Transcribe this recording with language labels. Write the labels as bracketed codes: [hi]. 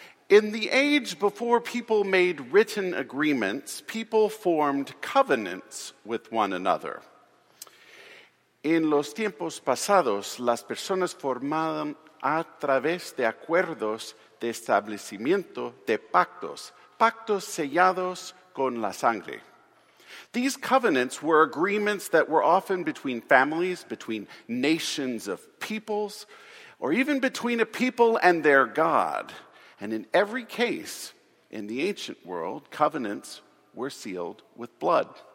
[en] In the age before people made written agreements, people formed covenants with one another. [es] En los tiempos pasados, las personas formaban a través de acuerdos de establecimiento de pactos, pactos sellados con la sangre. [en] These covenants were agreements that were often between families, between nations of peoples, or even between a people and their God. And in every case, in the ancient world, covenants were sealed with blood.